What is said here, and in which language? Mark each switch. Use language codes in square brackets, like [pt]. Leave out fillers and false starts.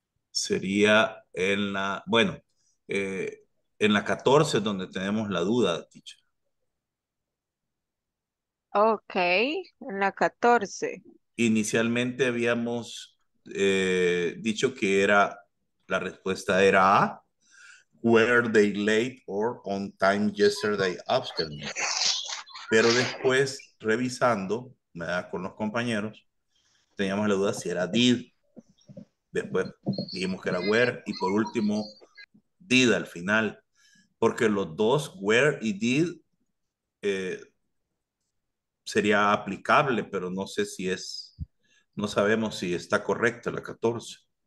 [es] Sería en la, bueno, en la 14 donde tenemos la duda, teacher. Ok, en la 14. Inicialmente habíamos dicho que era, la respuesta era A. [en] Were they late or on time yesterday afternoon? [es] Pero después, revisando, ¿verdad? Con los compañeros, teníamos la duda si era did. Después dijimos que era were. Y por último, did al final. Porque los dos, were y did, sería aplicable, pero no sé si es, no sabemos si está correcta la 14.